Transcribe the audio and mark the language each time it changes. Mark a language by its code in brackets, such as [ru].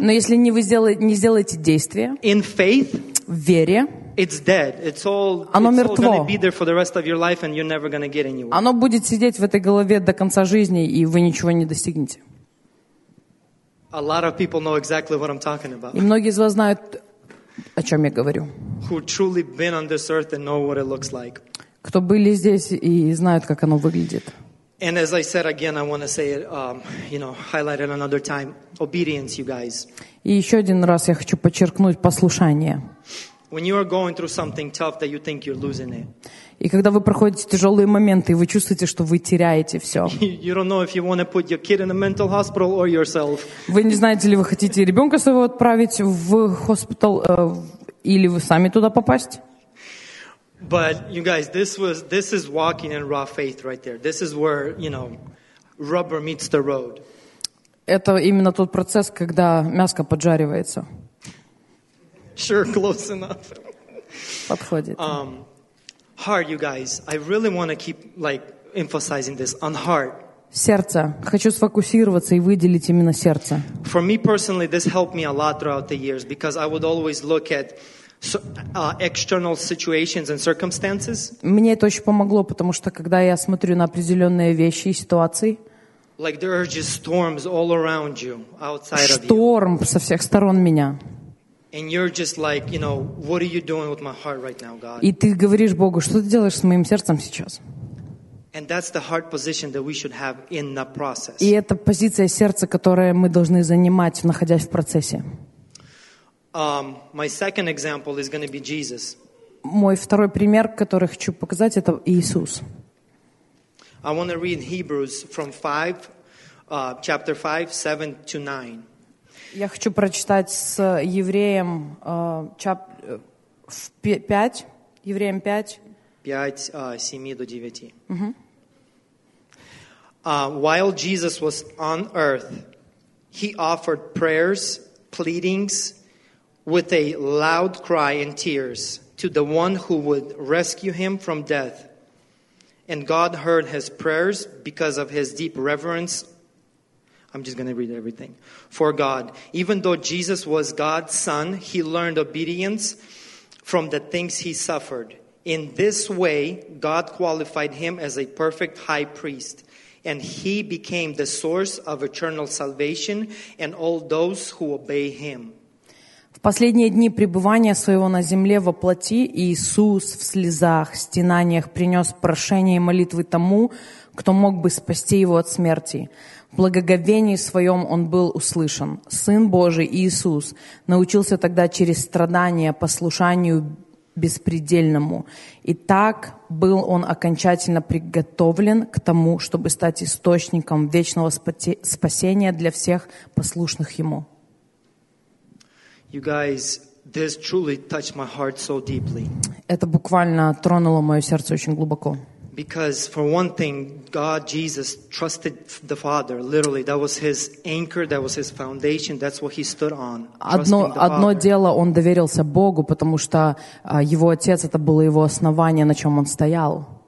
[ru] но если не сделаете действия, [en] in faith, [ru] в вере, [en] it's dead. It's all. [ru] Оно [en] it's [ru] мертво. [en] All be there for the rest of your life, and you're never gonna get anywhere. [ru] Оно будет сидеть в этой голове до конца жизни, и вы ничего не достигнете. [en] A lot of people know exactly what I'm talking about. [ru] И многие из вас знают, о чем я говорю. [en] Who truly been on this earth and know what it looks like. [ru] Кто были здесь и знают, как оно выглядит. [en] And as I said again, I want to say it, highlight it another time. Obedience, you guys. [ru] И еще один раз я хочу подчеркнуть послушание. [en] When you are going through something tough that you think you're losing it. [ru] И когда вы проходите тяжелые моменты, и вы чувствуете, что вы теряете все. [en] You don't know if you want to put your kid in a mental hospital or yourself. [ru] Вы не знаете, ли вы хотите ребенка своего отправить в госпиталь, или вы сами туда попасть? [en] But you guys, this is walking in raw faith right there. This is where, you know, rubber meets the road. [ru] Это именно тот процесс, когда мяско поджаривается. [en] Sure, close enough. [ru] Подходит. [en] Heart, you guys. I really want to keep like emphasizing this on heart. [ru] Сердце. Хочу сфокусироваться и выделить именно сердце. [en] For me personally, this helped me a lot throughout the years because I would always look at external situations and circumstances. [ru] Мне это очень помогло, потому что когда я смотрю на определенные вещи и ситуации. [en] Like there are just storms all around you, outside of you. [ru] Шторм со всех сторон меня. [en] And you're just like, you know, what are you doing with my heart right now, God? [ru] И ты говоришь Богу, что ты делаешь с моим сердцем сейчас? [en] And that's the heart position that we should have in the process. [ru] И это позиция сердца, которую мы должны занимать, находясь в процессе. [en] My second example is going to be Jesus. [ru] Мой второй пример, который хочу показать, это Иисус. [en] I want to read Hebrews from 5, chapter 5, 7 to 9. [ru] Я хочу прочитать с Евреям 5, Евреям 5, 7 до 9. [en] While Jesus was on earth, he offered prayers, pleadings, with a loud cry and tears to the one who would rescue him from death. And God heard his prayers because of his deep reverence. I'm just going to read everything. For God, even though Jesus was God's son, he learned obedience from the things he suffered. In this way, God qualified him as a perfect high priest. And he became the source of eternal salvation and all those who obey him. [ru] В последние дни пребывания своего на земле во плоти Иисус в слезах, стенаниях принес прошение и молитвы тому, кто мог бы спасти его от смерти. В благоговении своем он был услышан. Сын Божий Иисус научился тогда через страдания послушанию беспредельному. И так был он окончательно приготовлен к тому, чтобы стать источником вечного спасения для всех послушных ему. [en] You guys, this truly touched my heart so deeply. [ru] Это буквально тронуло мое сердце очень глубоко. [en] Because for one thing, God, Jesus trusted the Father. Literally, that was his anchor, that was his foundation. That's what he stood on. [ru] Одно дело, он доверился Богу, потому что его отец это было его основание, на чем он стоял.